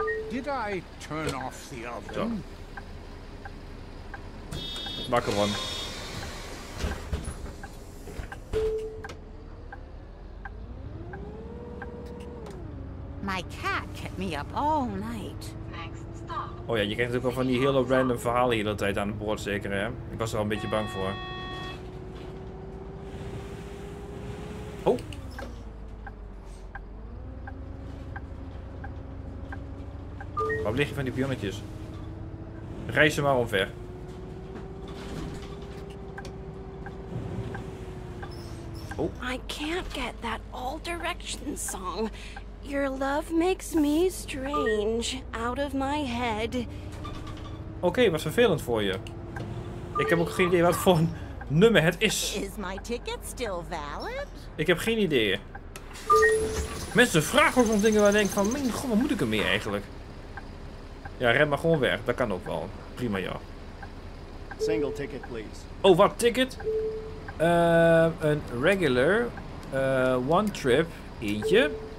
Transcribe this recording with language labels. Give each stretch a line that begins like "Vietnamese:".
English: Did I turn off the oven?
Dutch: Ja. Wakker man.
English: My cat kept me up all night.
Dutch: Oh ja, je krijgt natuurlijk wel van die hele random verhalen hier de tijd aan het boord, zeker hè. Ik was er wel een beetje bang voor. Oh. Waar lig je van die pionnetjes? Reis ze maar omver. Oh.
English: I can't get that All Directions song. Your love makes me strange, out of my head.
Dutch: Oké, okay, wat vervelend voor je. Ik heb ook geen idee wat voor een nummer het is.
English: Is my ticket still valid?
Dutch: Ik heb geen idee. Mensen vragen ook om dingen waar ik denk van, mijn god, wat moet ik ermee eigenlijk? Ja, ren maar gewoon weg, dat kan ook wel. Prima, ja.
English: Single ticket, please.
Dutch: Oh, wat ticket?
English: Een regular one trip, eentje.